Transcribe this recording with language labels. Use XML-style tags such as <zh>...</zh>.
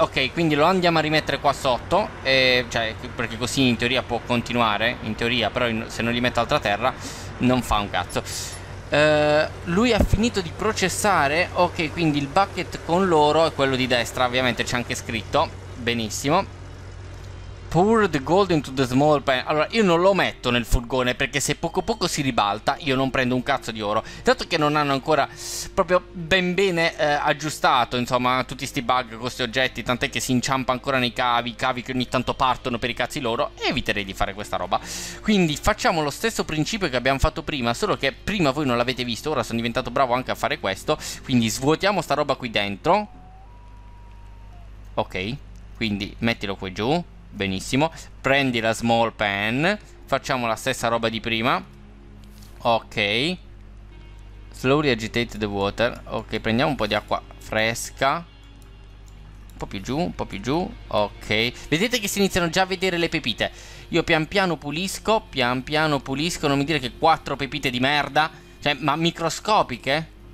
<it>Ok, quindi lo andiamo a rimettere qua sotto, cioè, perché così in teoria può continuare. In teoria, però se non gli metto altra terra non fa un cazzo. Lui ha finito di processare. Ok, quindi il bucket con l'oro è quello di destra, ovviamente c'è anche scritto. Benissimo.</it> <en>Pour the gold into the small pan.</en> <it>Allora, io non lo metto nel furgone perché se poco poco si ribalta io non prendo un cazzo di oro. Dato che non hanno ancora proprio ben bene aggiustato, insomma, tutti sti bug con questi oggetti, tant'è che si inciampa ancora nei cavi, cavi che ogni tanto partono per i cazzi loro, eviterei di fare questa roba. Quindi facciamo lo stesso principio che abbiamo fatto prima, solo che prima voi non l'avete visto, ora sono diventato bravo anche a fare questo. Quindi svuotiamo sta roba qui dentro. Ok, quindi mettilo qui giù. Benissimo, prendi la small pan, facciamo la stessa roba di prima.</it> <en>Ok, slowly agitate the water.</en> <it>Ok, prendiamo un po' di acqua fresca, un po' più giù, un po' più giù. Ok, vedete che si iniziano già a vedere le pepite. Io pian piano pulisco, non mi dire che quattro pepite di merda, cioè, ma microscopiche.</it>